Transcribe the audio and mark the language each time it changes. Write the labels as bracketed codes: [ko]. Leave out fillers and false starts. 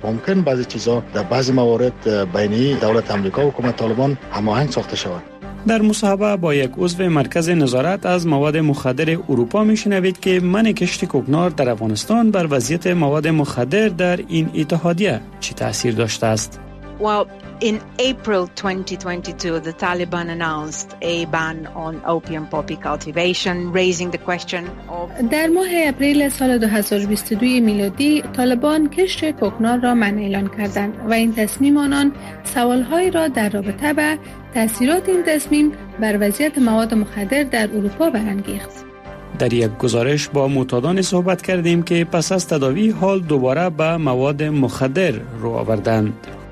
[fa] ممکن بعضی چیزا در بعضی موارد بین دولت آمریکا و حکومت طالبان هماهنگ ساخته شود. در مصاحبه با یک عضو مرکز نظارت از مواد مخدر اروپا میشنوید که من کشت کوکنار در افغانستان بر وضعیت مواد مخدر در این اتحادیه چی تاثیر داشته است؟ [en] In April 2022, the Taliban announced a ban on opium poppy cultivation, raising the question of. [fa] در ماه اپریل سال 2022 میلادی، طالبان کشت کوکنار را منع اعلان کردند و این تصمیم آنان سوال‌های را در رابطه با تأثیرات این تصمیم بر وضعیت مواد مخدر در اروپا برانگیخت. در یک گزارش با معتادان صحبت کردیم که پس از تداوی حال دوباره به مواد مخدر رو آوردند.